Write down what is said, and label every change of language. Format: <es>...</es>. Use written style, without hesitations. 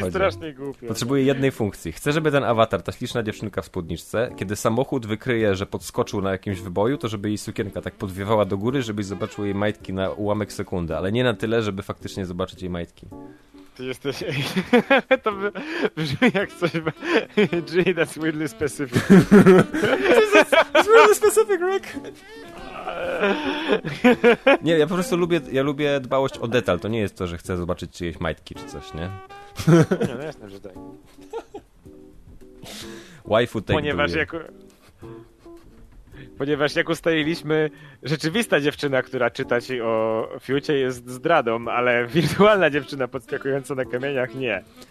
<pl>To brzmi strasznie głupio. Potrzebuję jednej funkcji. Chcę, żeby ten awatar, ta śliczna dziewczynka w spódniczce, kiedy samochód wykryje, że podskoczył na jakimś wyboju, to żeby jej sukienka tak podwiewała do góry, żebyś zobaczył jej majtki na ułamek sekundy, ale nie na tyle, żeby faktycznie zobaczyć jej majtki. Jesteś. To brzmi jak coś.</pl> <en>Gee, that's weirdly specific. It's weirdly specific, Rick.</en> <pl>Nie, ja po prostu lubię dbałość o detal. To nie jest to, że chcę zobaczyć czyjeś majtki czy coś, nie? Nie, no jasne, że tak. Waifu tej. Ponieważ jak ustaliliśmy, rzeczywista dziewczyna, która czyta ci o Fiucie, jest zdradą, ale wirtualna dziewczyna podskakująca na kamieniach nie.</pl>